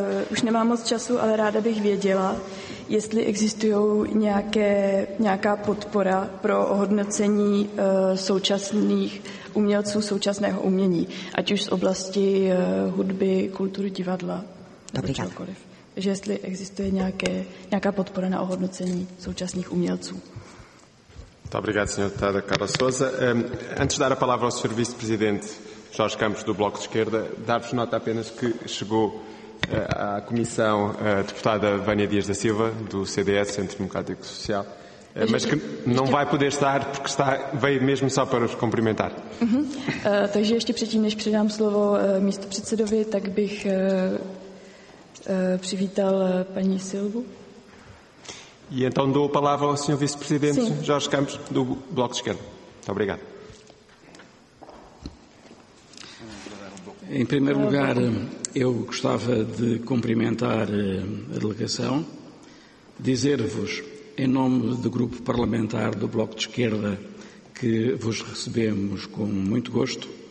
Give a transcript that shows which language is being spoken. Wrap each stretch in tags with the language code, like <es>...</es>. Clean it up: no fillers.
<cs>Už nemám moc času, ale ráda bych věděla, jestli existují nějaká podpora pro ohodnocení současných umělců současného umění, ať už z oblasti hudby, kultury, divadla, nebo čehokoliv. Že jestli existuje nějaká podpora na ohodnocení současných umělců.</cs> <pt>Obrigado, senhora Carla Sousa. Antes de dar a palavra ao senhor vice-presidente Jorge Campos do Bloco de Esquerda, dar-vos nota apenas que chegou à comissão a deputada Vânia Dias da Silva, do CDS, Centro Democrático Social, mas que não vai poder estar porque veio mesmo só para os cumprimentar.</pt> <cs>Takže ještě předtím, než předám slovo místopředsedovi, tak bych přivítal paní Silvu.</cs> <pt>E então dou a palavra ao senhor vice-presidente Jorge Campos do Bloco de Esquerda. Muito obrigado. Em primeiro lugar, eu gostava de cumprimentar a delegação, dizer-vos, em nome do grupo parlamentar do Bloco de Esquerda, que vos recebemos com muito gosto</pt>